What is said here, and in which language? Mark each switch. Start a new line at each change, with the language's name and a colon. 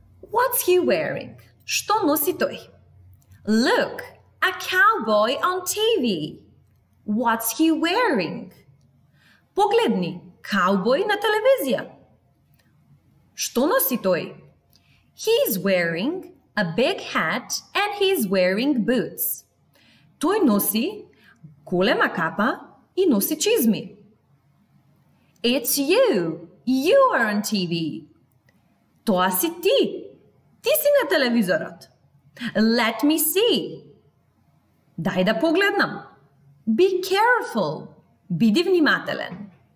English: What's he wearing?
Macedonian: Што носи тој?
English: Look, a cowboy on TV. What's he wearing?
Macedonian: Погледни, каубој на телевизија. Што носи тој?
English: He's wearing a big hat and he's wearing boots.
Macedonian: Тој носи голема капа и носи чизми.
English: It's you. You are on TV.
Macedonian: Тоа си ти. Ти си на телевизорот.
English: Let me see.
Macedonian: Дај да погледнам.
English: Be careful.
Macedonian: Биди внимателен.